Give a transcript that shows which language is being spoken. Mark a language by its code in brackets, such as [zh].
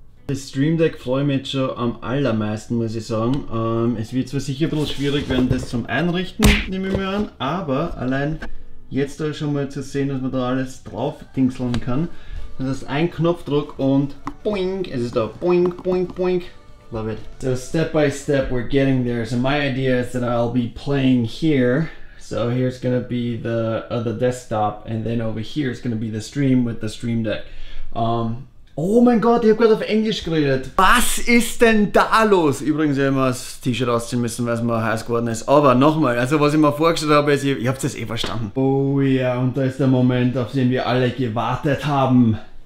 [de] Das Stream Deck freue ich mich jetzt schon am allermeisten, muss ich sagen. Es wird zwar sicher ein bisschen schwierig werden, das zum Einrichten, nehme ich mir an, aber allein jetzt da schon mal zu sehen, dass man da alles drauf dingseln kann. Das ist ein Knopfdruck und boing, es ist da boing, boing, boing. [en] Love it. So step by step we're getting there. So my idea is that I'll be playing here. So here's gonna be the desktop and then over here is gonna be the stream with the Stream Deck. [de] Oh mein Gott, ich habe gerade auf Englisch geredet. Was ist denn da los? Übrigens, ich habe mir das T-Shirt ausziehen müssen, weil es mir heiß geworden ist. Aber nochmal, also was ich mir vorgestellt habe, ist, ich habe es eh verstanden. Oh ja, und da ist der Moment, auf den wir alle gewartet haben.